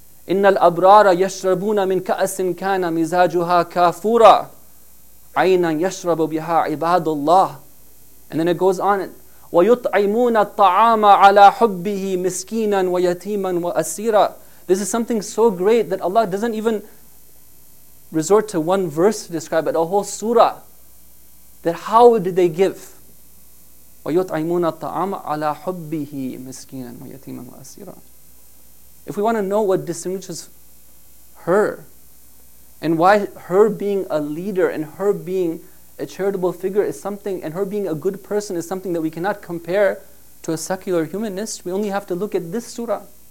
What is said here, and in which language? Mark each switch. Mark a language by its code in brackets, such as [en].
[ar] إن الأبرار يشربون من كأس كان مزاجها كافورا عينا يشرب بها عباد الله. [en] And then it goes on. [ar] ويطعمون الطعام على حبه مسكينا ويتيما وأسيرا. [en] This is something so great that Allah doesn't even resort to one verse to describe it, a whole surah. That how did they give? [ar] ويطعمون الطعام على حبه مسكينا ويتيما وأسيرا. [en] If we want to know what distinguishes her and why her being a leader and her being a charitable figure is something, and her being a good person is something that we cannot compare to a secular humanist, we only have to look at this surah.